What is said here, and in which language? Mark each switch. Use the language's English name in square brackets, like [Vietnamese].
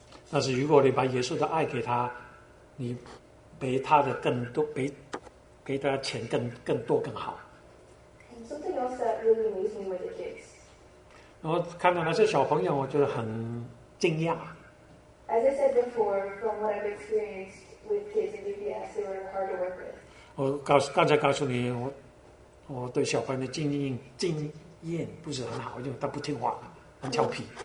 [Chinese] 但是如果你把耶稣的爱给他，你给他的更多，给他钱更多更好。 [English] Something else that really amazed me were the kids. [Chinese] 然后看到那些小朋友，我觉得很惊讶。 [English] As I said before, from what I've experienced with kids in DPS, they were hard to work with. [Chinese] 我刚才告诉你我对小朋友的经验不是很好，因为他不听话，很调皮。